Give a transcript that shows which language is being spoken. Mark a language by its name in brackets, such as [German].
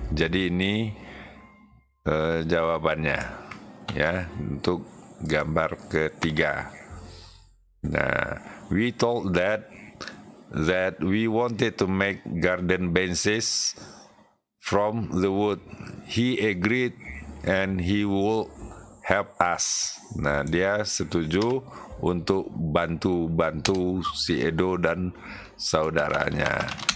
[Indonesian] Jadi ini jawabannya, ya, untuk gambar ketiga. [English] Nah, we told that we wanted to make garden benches from the wood. He agreed and he will help us. [Indonesian] Nah, dia setuju untuk bantu-bantu si Edo dan saudaranya.